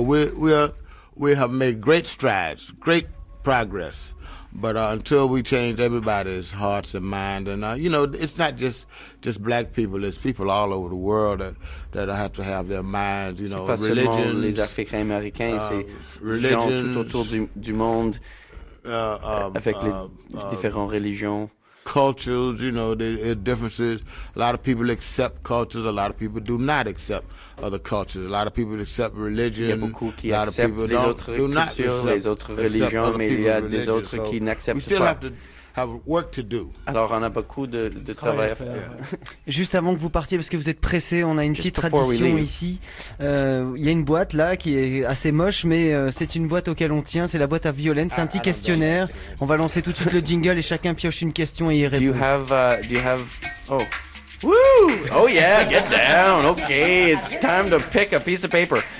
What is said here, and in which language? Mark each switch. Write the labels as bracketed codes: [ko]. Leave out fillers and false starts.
[en] So we have made great strides, great progress, but until we change everybody's hearts and mind, and you know, it's not just black people, it's people all over the world that have to have their minds, you know, religions. [fr] C'est pas seulement les Africains américains, c'est religions, gens tout autour du monde, avec les différentes religions. [en] Cultures, you know, the differences. A lot of people accept cultures. A lot of people do not accept other cultures. A lot of people accept religion. [fr] Il y a beaucoup qui acceptent les autres cultures, les autres religions, mais il y a des autres qui n'acceptent pas. [en] We still have to have work to do. [fr] Alors, on a beaucoup de travail à faire. [en] Yeah. [fr] Juste avant que vous partiez, parce que vous êtes pressé, on a une [en] Just [fr] petite tradition ici. Il y a une boîte là qui est assez moche, mais c'est une boîte auquel on tient. C'est la boîte à Violaine. C'est un petit questionnaire. On va lancer tout de suite le jingle et chacun pioche une question et y répond. [en] Do you have? Oh, woo! Oh yeah, get down. Okay, it's time to pick a piece of paper.